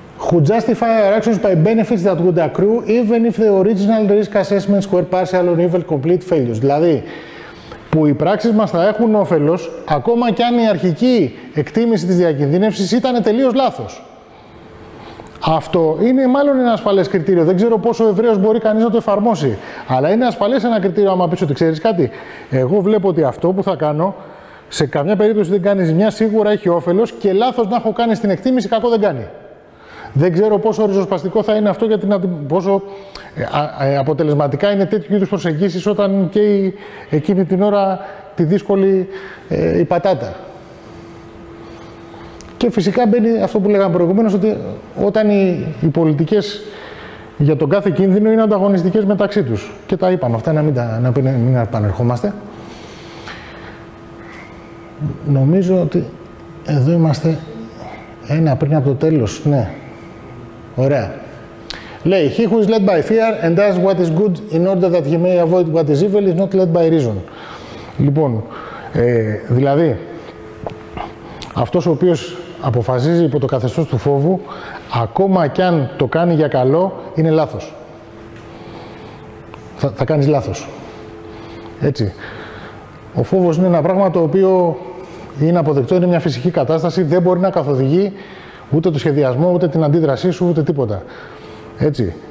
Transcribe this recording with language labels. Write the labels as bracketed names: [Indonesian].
[English] Who justify our actions by benefits that would accrue even if the original risk assessments were partial or even complete failures. [Greek] Δηλαδή, που οι πράξεις μας θα έχουν όφελος ακόμα και αν η αρχική εκτίμηση της διακινδύνευσης ήταν τελείως λάθος. Αυτό είναι μάλλον ένα ασφαλές κριτήριο. Δεν ξέρω πόσο ευρέως μπορεί κανείς να το εφαρμόσει. Αλλά είναι ασφαλές ένα κριτήριο άμα πεις ότι ξέρεις κάτι. Εγώ βλέπω ότι αυτό που θα κάνω σε καμιά περίπτωση δεν κάνει ζημιά, σίγουρα έχει όφελος και λάθος να έχω κάνει στην εκτίμηση, κακό δεν κάνει. Δεν ξέρω πόσο ριζοσπαστικό θα είναι αυτό για την πόσο αποτελεσματικά είναι τέτοιου είδους προσεγγίσεις όταν καίει εκείνη την ώρα τη δύσκολη η πατάτα. Και φυσικά μπαίνει αυτό που λέγαμε προηγουμένως, ότι όταν οι πολιτικές για τον κάθε κίνδυνο είναι ανταγωνιστικές μεταξύ τους. Και τα είπαμε αυτά, να μην επανερχόμαστε. Νομίζω ότι εδώ είμαστε ένα πριν από το τέλος, ναι. Ωραία. [English] Λέει, he who is led by fear and does what is good in order that he may avoid what is evil is not led by reason. [Greek] Λοιπόν, δηλαδή, αυτός ο οποίος αποφασίζει υπό το καθεστώς του φόβου, ακόμα κι αν το κάνει για καλό, είναι λάθος. Θα κάνεις λάθος. Έτσι. Ο φόβος είναι ένα πράγμα το οποίο είναι αποδεκτό, είναι μια φυσική κατάσταση, δεν μπορεί να καθοδηγεί ούτε το σχεδιασμό, ούτε την αντίδρασή σου, ούτε τίποτα. Έτσι.